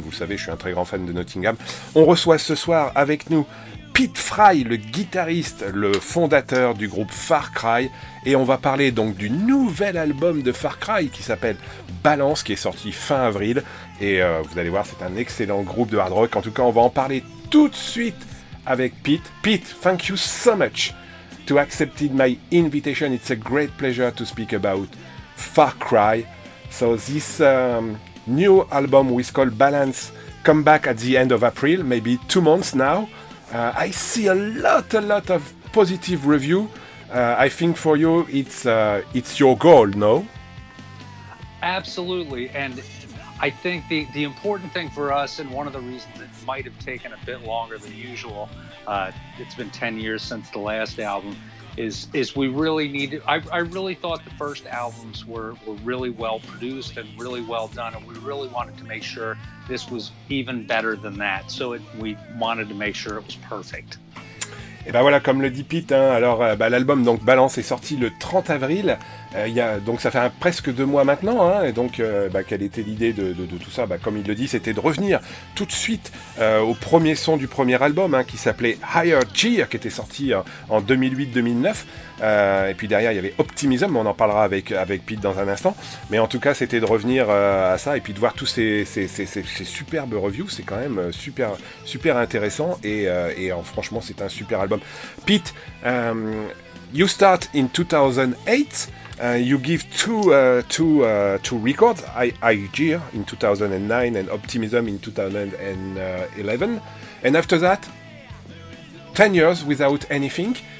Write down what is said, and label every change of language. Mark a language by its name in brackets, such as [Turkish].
[French] Vous savez, je suis un très grand fan de Nottingham. On reçoit ce soir avec nous Pete Fry, le guitariste, le fondateur du groupe Far Cry. Et on va parler donc du nouvel album de Far Cry qui s'appelle Balance, qui est sorti fin avril. Et vous allez voir, c'est un excellent groupe de hard rock. En tout cas, on va en parler tout de suite avec Pete. [English] Pete, thank you so much to accepting my invitation. It's a great pleasure to speak about Far Cry. So this new album we call Balance come back at the end of April, maybe 2 months now. I see a lot of positive review. I think for you, it's your goal, no? Absolutely, and I think the important thing for us, and one of the reasons it might have taken a bit longer than usual, it's been 10 years since the last album, is we really needed. I really thought the first albums were really well produced and really well done, and we really wanted to make sure this was even better than that. So we wanted to make sure it was perfect. [French] Et ben voilà, comme le dit Pete, hein, alors l'album donc Balance est sorti le 30 avril, ça fait presque 2 mois maintenant, hein, et donc quelle était l'idée de tout ça? Comme il le dit, c'était de revenir tout de suite au premier son du premier album, hein, qui s'appelait Higher Cheer, qui était sorti en 2008-2009, et puis derrière il y avait Optimism, on en parlera avec Pete dans un instant, mais en tout cas c'était de revenir à ça, et puis de voir tous ces superbes reviews. C'est quand même super, super intéressant, et franchement c'est un super album. [English] Pete, you start in 2008, you give two records, Higher in 2009 and Optimism in 2011, and after that, 10 years without anything.